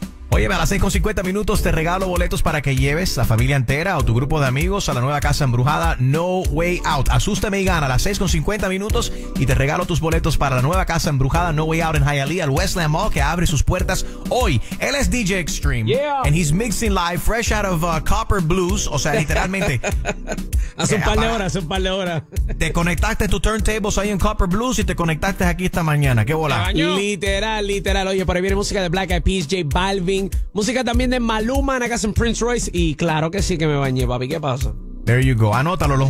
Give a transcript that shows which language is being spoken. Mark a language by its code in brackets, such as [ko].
[es] Oye, a las 6:50 minutos te regalo boletos para que lleves a la familia entera o tu grupo de amigos a la nueva casa embrujada No Way Out. Asústame y gana a las 6:50 minutos y te regalo tus boletos para la nueva casa embrujada No Way Out en Hialeah, al Westland Mall, que abre sus puertas hoy. Él es DJ Extreme. [en] Yeah. And he's mixing live fresh out of Copper Blues. [es] O sea, literalmente. hace un par de horas. Te conectaste tus turntables ahí en Copper Blues y te conectaste aquí esta mañana. ¿Qué bola? Literal. Oye, por ahí viene música de Black Eyed Peas, J Balvin. Música también de Maluma, en casa en Prince Royce. Y claro que sí que me bañé, papi. ¿Qué pasa? [en] There you go. [es] Anótalo.